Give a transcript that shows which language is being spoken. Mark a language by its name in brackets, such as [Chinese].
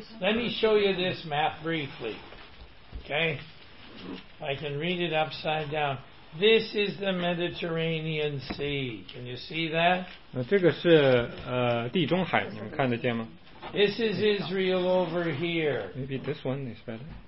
[English] Let me show you this map briefly. Okay? I can read it upside down. This is the Mediterranean Sea. Can you see that? [Chinese] 这个是地中海，你们看得见吗？ [English] This is Israel over here. Maybe this one is better.